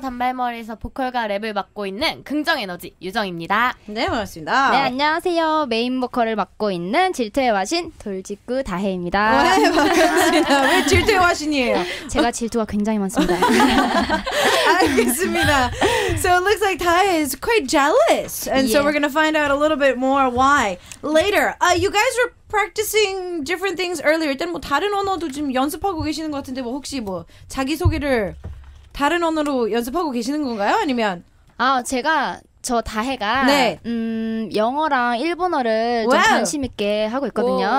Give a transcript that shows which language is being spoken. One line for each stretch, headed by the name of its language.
Korean: 단발머리에서 보컬과 랩을 맡고 있는 긍정에너지 유정입니다. 네, 반갑습니다. 네, 안녕하세요. 메인 보컬을 맡고 있는 질투의 화신 돌직구 다혜입니다. 네, 반갑습니다. 왜 질투의 화신이에요? 제가 질투가 굉장히 많습니다. 알겠습니다.
English: So it looks like Tae is quite jealous. And yeah. so we're going to find out a little bit more why later. You guys were practicing different things earlier.
Korean: 일단 뭐 다른 언어도 지금 연습하고 계시는 것 같은데 뭐 혹시 뭐 자기소개를 다른 언어로 연습하고 계시는 건가요? 아니면 아, 제가 저 다혜가 네. 영어랑 일본어를 wow. 좀 관심 있게 하고 있거든요.